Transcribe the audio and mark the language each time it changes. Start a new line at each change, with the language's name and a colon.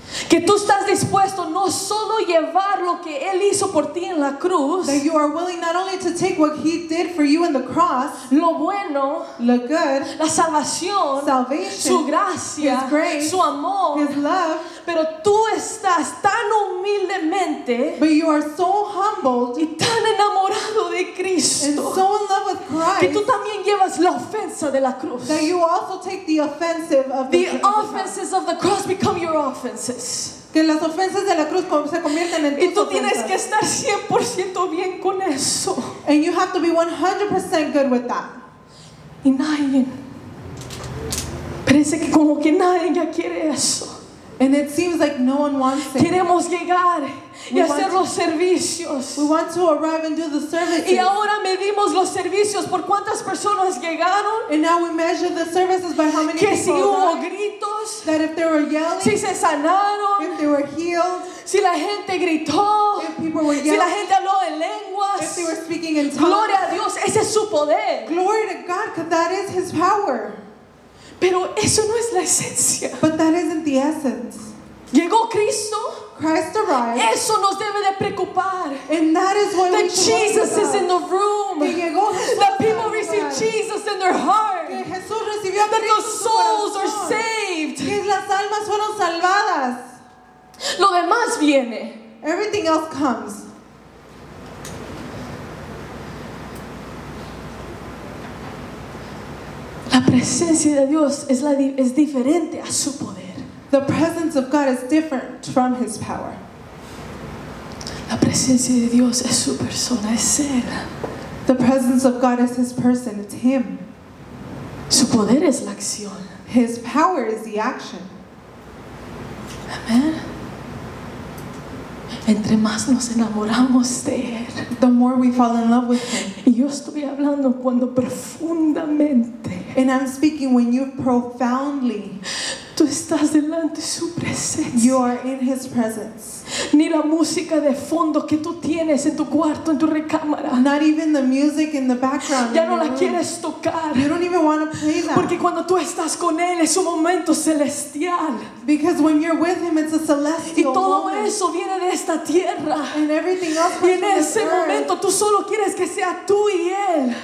Spanish: que tú estás dispuesto no solo llevar lo que Él hizo por ti en la cruz,
English: that you are willing not only to take what He did for you in the cross,
Spanish: lo bueno,
English: the good,
Spanish: la salvación,
English: salvation,
Spanish: su gracia,
English: His grace,
Spanish: su amor,
English: His love,
Spanish: pero tú estás tan humildemente,
English: but you are so humbled,
Spanish: y tan enamorado de Cristo,
English: and so in love with Christ,
Spanish: que tú también llevas la ofensa de la cruz,
English: that you also take the offensive of the cross. The offenses of the cross become your offenses.
Spanish: Que las ofensas de la cruz se convierten en tus ofensas. Y tú tienes que estar 100% bien con eso.
English: And you have to be 100% good with that.
Spanish: Y nadie. Parece que como que nadie ya quiere eso.
English: And it seems like no one wants it.
Spanish: Queremos llegar y hacer los servicios.
English: We want to arrive and do the services.
Spanish: Y ahora medimos los servicios por cuántas personas llegaron.
English: And now we measure the services by how many
Spanish: que
English: people
Spanish: si hubo gritos,
English: that if there were yelling,
Spanish: si se sanaron,
English: if they were healed,
Spanish: si la gente gritó,
English: if people were yelling,
Spanish: si la gente habló en lenguas,
English: if they were speaking in tongues.
Spanish: Gloria a Dios, ese es su poder.
English: Glory to God, because that is His power.
Spanish: Pero eso no es la esencia.
English: But that isn't the essence.
Spanish: Llegó Cristo.
English: Christ arrived.
Spanish: Eso nos debe de preocupar.
English: And that is what that Jesus is in the room.
Spanish: Que llegó Jesús.
English: That people receive Jesus in their heart.
Spanish: Que Jesús recibió a Cristo.
English: That the souls are saved.
Spanish: Que las almas fueron salvadas. Lo demás viene.
English: Everything else comes.
Spanish: La presencia de Dios es la es diferente a su poder.
English: The presence of God is different from His power.
Spanish: La presencia de Dios es su persona, es Él.
English: The presence of God is His person, it's Him.
Spanish: Su poder es la acción.
English: His power is the action. Amen.
Spanish: Entre más nos enamoramos de Él,
English: the more we fall in love with Him.
Spanish: Y yo estoy hablando cuando profundamente,
English: and I'm speaking when you profoundly,
Spanish: tú estás delante de su presencia,
English: you are in His presence.
Spanish: Ni la música de fondo que tú tienes en tu cuarto, en tu recámara,
English: not even the music in the background,
Spanish: ya no la quieres tocar,
English: you don't even want to play that,
Spanish: porque cuando tú estás con Él es un momento celestial,
English: because when you're with Him it's a celestial moment,
Spanish: y todo
English: moment.
Spanish: Eso viene de esta tierra,
English: and everything else comes from this earth,
Spanish: y en ese momento
English: earth.
Spanish: Tú solo quieres que sea tú y Él,